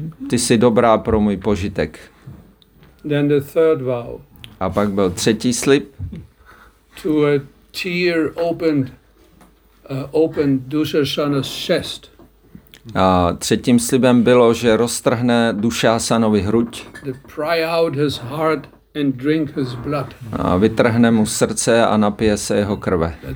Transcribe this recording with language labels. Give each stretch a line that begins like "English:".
Czech: Ty jsi dobrá pro můj požitek.
English: Then the third vow.
Czech: A pak byl třetí slib.
English: To a tear opened Dushasana's chest.
Czech: A třetím slibem bylo, že roztrhne Dushasanovi hruď.
English: Pry out his heart and drink his blood.
Czech: A vytrhne mu srdce a napije se jeho krve.